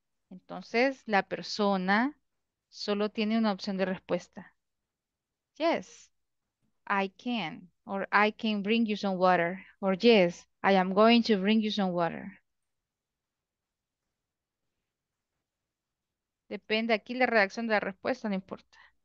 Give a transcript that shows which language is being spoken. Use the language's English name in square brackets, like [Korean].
[Spanish] Entonces, la persona solo tiene una opción de respuesta. [English] Yes, I can. Or I can bring you some water. Or yes, I am going to bring you some water. [Spanish] Depende aquí la redacción de la respuesta, no importa.